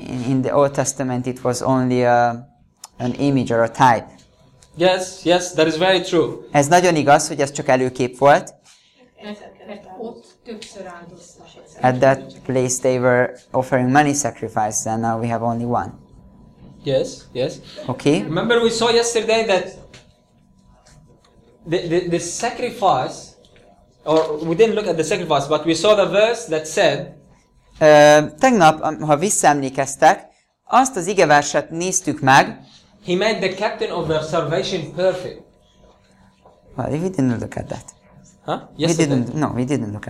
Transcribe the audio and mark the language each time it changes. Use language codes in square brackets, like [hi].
[en] In the Old Testament it was only an image or a type. Yes, yes, that is very true. [hu] Ez nagyon igaz, hogy ez csak előkép volt. Mert ott többször áldoztak. [en] At that place they were offering many sacrifices and now we have only one. Yes, yes. Okay. Remember we saw yesterday that the sacrifice, or we didn't look at the sacrifice, but we saw the verse that said. [hu] Tegnap, ha visszaemlékeztek, azt az igeverset néztük meg. [en] He made the captain of their salvation perfect. Well, we didn't look at that. Huh? Yes, we didn't look at that.